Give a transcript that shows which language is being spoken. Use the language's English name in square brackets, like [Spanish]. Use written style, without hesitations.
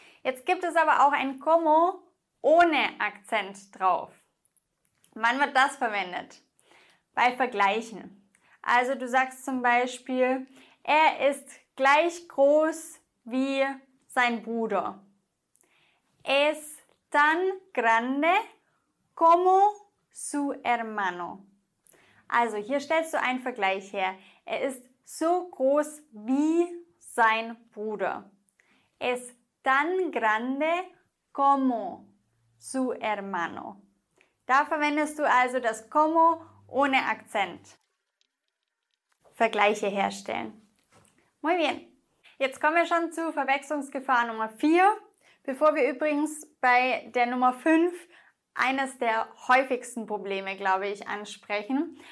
[German] Jetzt gibt es aber auch ein cómo ohne Akzent drauf. Wann wird das verwendet? Bei Vergleichen. Also du sagst zum Beispiel, er ist gleich groß wie sein Bruder. [Spanish] Es tan grande como su hermano. [German] Also hier stellst du einen Vergleich her. Er ist so groß wie sein Bruder. [Spanish] Es tan grande como su hermano. [German] Da verwendest du also das como ohne Akzent. Vergleiche herstellen. Muy bien. Jetzt kommen wir schon zu Verwechslungsgefahr Nummer 4. Bevor wir übrigens bei der Nummer 5 eines der häufigsten Probleme, glaube ich, ansprechen.